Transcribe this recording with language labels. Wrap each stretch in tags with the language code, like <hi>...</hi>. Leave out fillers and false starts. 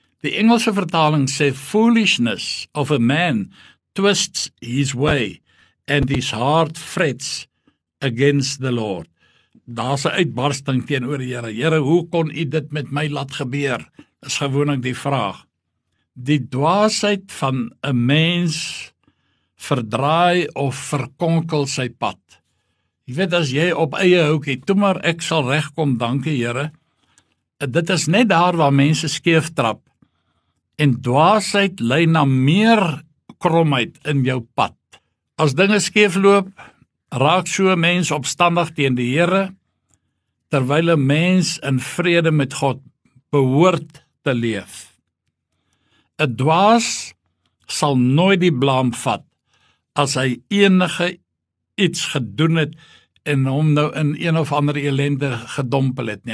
<af>Die Engelse vertaling sê,</af> <en>foolishness of a man twists his way, and his heart frets against the Lord.</en> <af>Daar is 'n uitbarsting teenoor die Here. Here, hoe kon u dit met my laat gebeur? Is gewoonlik die vraag. Die dwaasheid van 'n mens verdraai of verkonkel sy pad. Jy weet, as jy op eie houkie, toe maar ek sal regkom, dankie Here. Dit is net daar waar mense skeef trap. En dwaasheid lei na meer kromheid in jou pad. As dinge skeef loop, raak so 'n mens opstandig teen die Here, terwyl 'n mens in vrede met God behoort te leef. 'N dwaas sal nooit die blaam vat, as hy enige iets gedoen het en hom nou in een of ander elende gedompel het nie.</af>